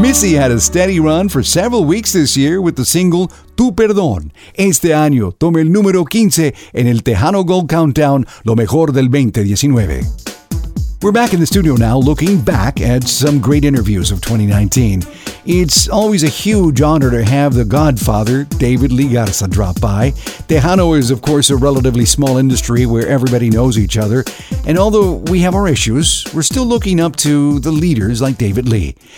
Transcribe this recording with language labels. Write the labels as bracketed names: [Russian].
[English] Missy had a steady run for several weeks this year with the single Tu Perdón. [Spanish] Este año, toma el número 15 en el Tejano Gold Countdown, lo mejor del 2019. [English] We're back in the studio now, looking back at some great interviews of 2019. It's always a huge honor to have the godfather, David Lee Garza, drop by. Tejano is, of course, a relatively small industry where everybody knows each other. And although we have our issues, we're still looking up to the leaders like David Lee.